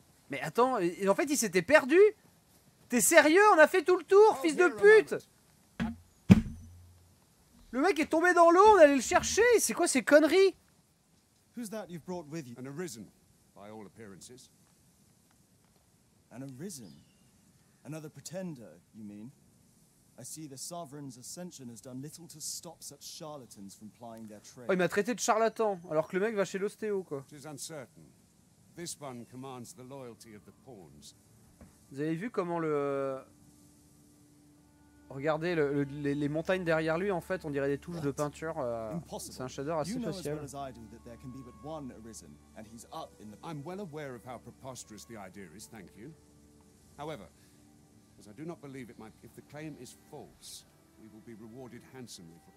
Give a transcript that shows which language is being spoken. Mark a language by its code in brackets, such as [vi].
[fr] Mais attends, en fait, il s'était perdu. T'es sérieux? On a fait tout le tour, fils de pute. Le mec est tombé dans l'eau, on allait le chercher. C'est quoi ces conneries? [en] Who's that you've brought with you? An arisen, by all appearances. An arisen? Another pretender, you mean? I see the sovereign's ascension has done little to stop such charlatans from plying their trade. [fr] Oh, il m'a traité de charlatan, alors que le mec va chez l'ostéo, quoi. [en] It is uncertain. This one commands the loyalty of the pawns. [fr] Vous avez vu comment le... Regardez, les montagnes derrière lui, en fait, on dirait des touches de peinture. C'est un shader assez facile. Vous savez aussi bien que je sais qu'il n'y a qu'un arisen, et il est en train de... Je suis bien [en] aware [fr] de comment préposterous l'idée est, merci. Cependant, je ne crois pas que si le [en] claim [fr] est faux, nous serons rewardés [en] handsomely.